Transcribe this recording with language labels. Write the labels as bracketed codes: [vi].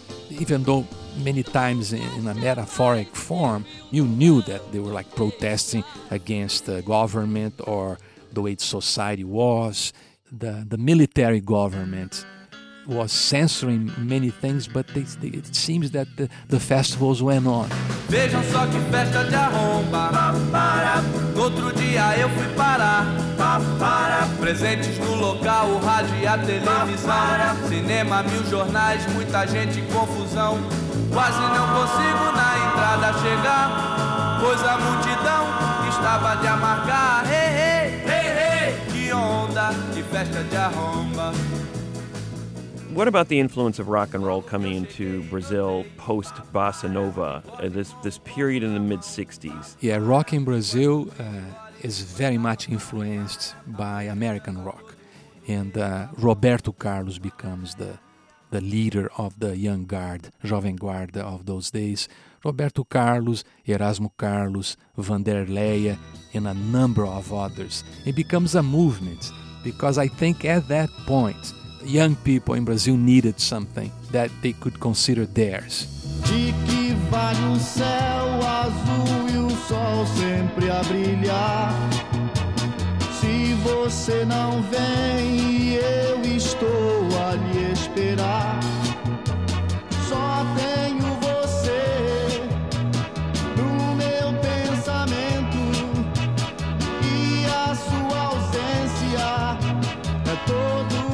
[en] Even though many times in a metaphoric form, you knew that they were like protesting against the government or the way society was. The military government was censoring many things, but it seems that the festivals went on. [pt] Vejam só que festa de arromba. Outro dia eu fui parar. presentes no local, o rádio e a televisão. Cinema, mil jornais, muita gente em confusão. Quase não consigo na entrada chegar, pois a multidão estava de amargar. Hey, hey, hey, hey. Que onda, que festa de arromba. [en] What about the influence of rock and roll coming into Brazil post bossa nova, this period in the mid 60s? Yeah, rock in Brazil is very much influenced by American rock, and Roberto Carlos becomes the leader of the young guard, Jovem Guarda of those days. Roberto Carlos, Erasmo Carlos, Vanderleia, and a number of others. It becomes a movement because I think at that point, young people in Brazil needed something that they could consider theirs. [pt] De que vale o céu azul e o sol sempre a brilhar? Se você não vem e eu estou a lhe esperar. Só tenho você no meu pensamento e a sua ausência é todo.